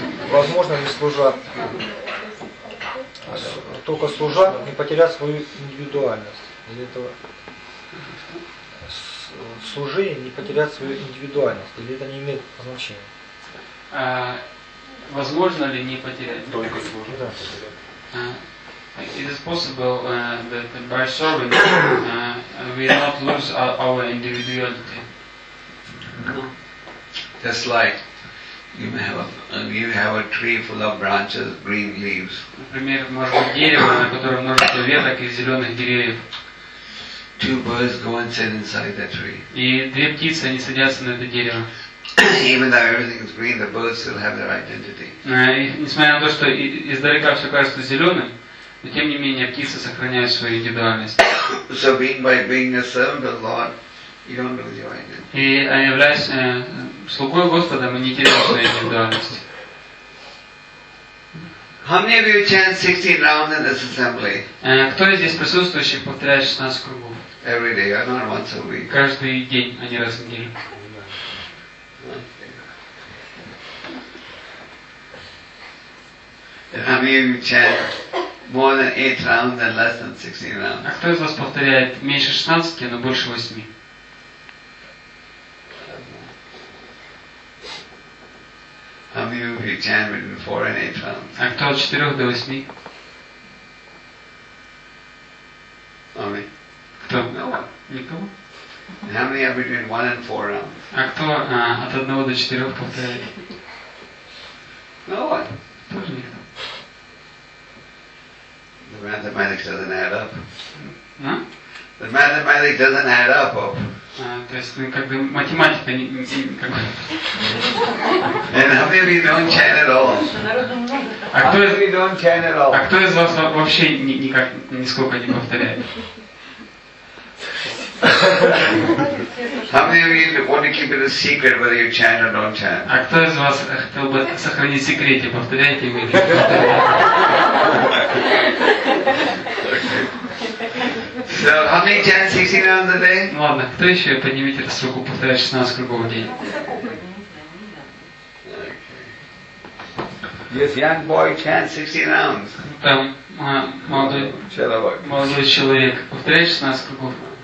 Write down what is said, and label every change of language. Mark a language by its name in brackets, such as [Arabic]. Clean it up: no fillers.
[Russian] Возможно ли служа только служа не потерять свою индивидуальность? Для этого служи не потерять свою индивидуальность, или это не имеет значения? Возможно ли не потерять только служа? Да. [English] It is possible that by serving we will not lose our individuality. Just like you have a tree full of branches, green leaves. [Russian] Например, может быть дерево, на котором множество веток и зеленых деревьев. [English] Two birds go and sit inside that tree. [Russian] И две птицы они садятся на это дерево. [English] Even though everything is green, the birds still have their identity. [Russian] Несмотря на то, что издалека все кажется зеленым. Но тем не менее птицы сохраняют свою индивидуальность. [English] So being a servant of the Lord, you don't lose your identity. [Russian] И являясь слугой Господа, мы не теряем свою индивидуальность. [English] How many of you chant 16 rounds in this assembly? [Russian] Кто из здесь присутствующих повторяет 16 кругов? [English] Every day, or not once a week. [Russian] Каждый день, а не раз в неделю. [English] How many of you chant more than 8 rounds and less than 16 rounds? [Russian] А кто из вас повторяет меньше 16, но больше 8? [English] How many of you chant between 4 and 8 rounds? [Russian] А кто от 4 до 8? [English] Only. [Russian] Кто? [English] No one. [Russian] Никого? [English] And how many are between 1 and 4 rounds? [Russian] А кто от 1 до 4 повторяет? [English] No one. [Russian] Тоже никто. [English] The mathematics doesn't add up. No? The mathematics doesn't add up. And how many of you don't chant at all? [Russian] А кто из вас вообще никак нисколько не повторяет? [English] How many of you want to keep it a secret whether you chant or don't chant? [Russian] А кто из вас хотел бы сохранить секрет и повторяете его? [English] So how many chants you sing on the day? [Russian] Ну ладно, кто еще поднимет эту руку, повторяет 16 кругов в день? [English] Yes, young boy chants 16 rounds. [Russian] Там молодой человек повторяет 16 кругов.